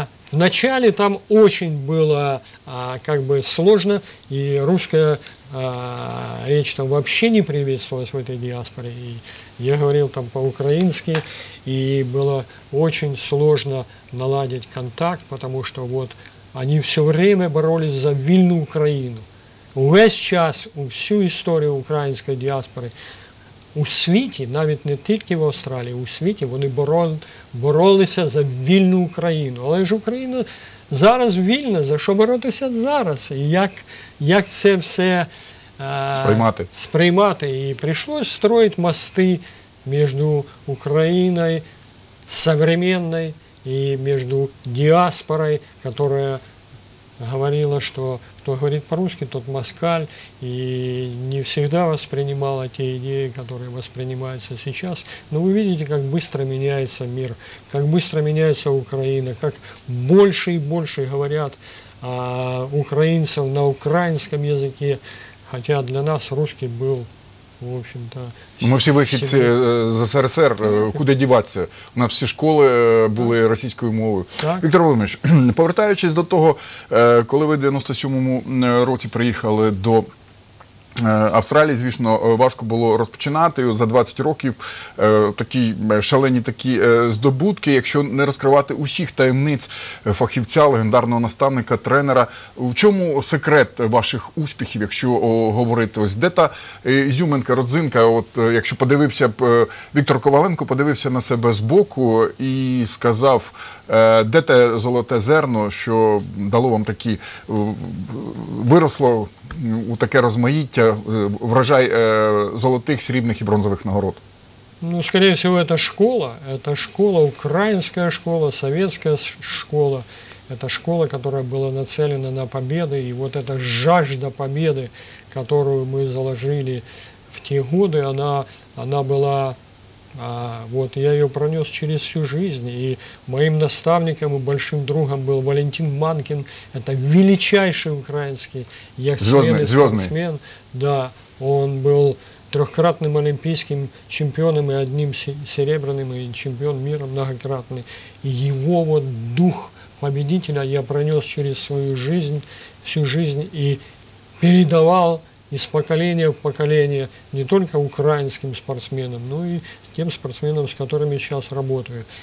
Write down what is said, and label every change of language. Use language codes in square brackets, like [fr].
[ru] Вначале там очень было как бы сложно, и русская речь там вообще не приветствовалась в этой диаспоре. И я говорил там по-украински, и было очень сложно наладить контакт, потому что вот они все время боролись за вильную Украину. [uk] Весь час, [ru] всю историю украинской диаспоры [uk] у світі, навіть не тільки в Австралії, у світі вони боролися за вільну Україну. Але ж Україна зараз вільна, за що боротися зараз? І як це все сприймати? І прийшлося строїти мости між Україною сучасною і між діаспорою, яка говорила, що [ru] кто говорит по-русски, тот москаль, и не всегда воспринимала те идеи, которые воспринимаются сейчас. Но вы видите, как быстро меняется мир, как быстро меняется Украина, как больше и больше говорят украинцев на украинском языке, хотя для нас русский был, в общем-то... Мы все выходцы из СРСР, куда деваться? У нас все школы были российской мовы. [uk] Виктор Володимирович, повертаючись до того, коли ви в 97-му році приїхали до Австралії, звісно, важко було розпочинати за 20 років такі шалені такі здобутки, якщо не розкривати усіх таємниць фахівця, легендарного наставника, тренера. В чому секрет ваших успіхів, якщо говорити? Ось де та ізюминка, родзинка, от, якщо подивився б Віктор Коваленко, подивився на себе збоку і сказав, де те золоте зерно, що дало вам такі, виросло у таке розмаїття, врожай золотих, срібних і бронзових нагород? Ну, скоріше всього, це школа. Це школа, українська школа, совєтська школа. Це школа, яка була націлена на побіди. І от ця жажда побіди, яку ми заложили в ті роки, вона була... [ru] Вот я ее пронес через всю жизнь, и моим наставником и большим другом был Валентин Манкин, это величайший украинский яхтсмен, да, он был трехкратным олимпийским чемпионом и одним серебряным, и чемпион мира многократный, и его вот дух победителя я пронес через свою жизнь, всю жизнь, и передавал из поколения в поколение не только украинским спортсменам, но и тем спортсменам, с которыми сейчас работаю.